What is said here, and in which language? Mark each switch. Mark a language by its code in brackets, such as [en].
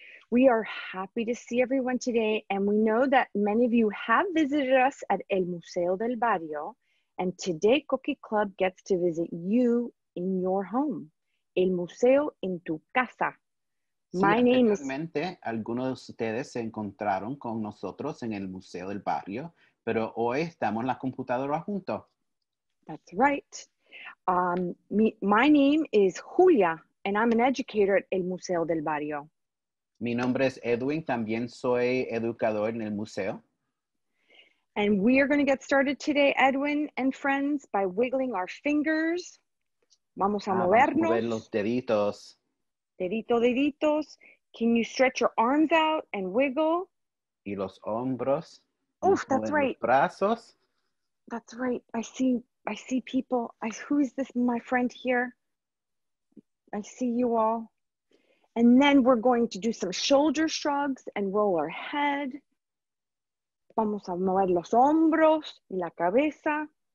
[en] We are happy to see everyone today, and we know that many of you have visited us at El Museo del Barrio, and today Coquí Club gets to visit you in your home. [es] El Museo en tu casa. [en] My sí, name is... [es] Anteriormente, algunos de ustedes se encontraron con nosotros en el Museo del Barrio, pero hoy estamos en la computadora juntos. [en] That's right. My name is Julia, and I'm an educator at El Museo del Barrio. [es] Mi nombre es Edwin, también soy educador en el museo. [en] And we are going to get started today, Edwin and friends, by wiggling our fingers. [es] Vamos a movernos. Vamos a mover los deditos. Dedito, deditos. [en] Can you stretch your arms out and wiggle? [es] Y los hombros. [en] Oof, that's right. [es] Los brazos. [en] That's right. I see people. Who is this, my friend here? I see you all. And then we're going to do some shoulder shrugs and roll our head. [es] Vamos a mover los hombros y la cabeza.